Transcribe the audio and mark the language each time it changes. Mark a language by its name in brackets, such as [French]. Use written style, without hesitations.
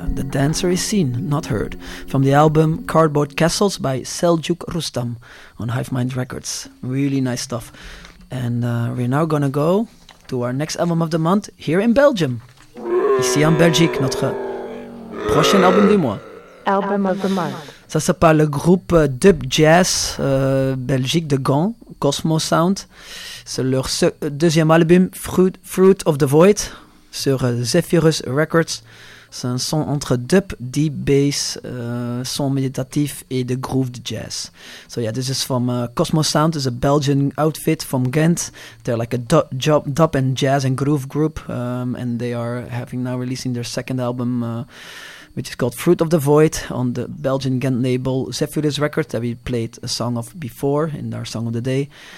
[English] dancer is seen, not heard, from the album Cardboard Castles by Seljuk Rustam on Hivemind Records. Really nice stuff. And we're now gonna go to our next album of the month here in Belgium. [French] Ici en Belgique, notre prochain album du mois. [English] Album of the month. [French] Ça s'appelle le groupe Dub Jazz Belgique de Gand, Cosmo Sound. C'est leur deuxième album, Fruit of the Void, sur Zephyrus Records. C'est un son entre dub, deep bass, son méditatif et de grooved jazz. [English] So yeah, this is from Cosmo Sound. It's a Belgian outfit from Ghent. They're like a dub and jazz and groove group. And they are having now releasing their second album, which is called Fruit of the Void, on the Belgian Ghent label Zephyrus Records, that we played a song of before in our Song of the Day.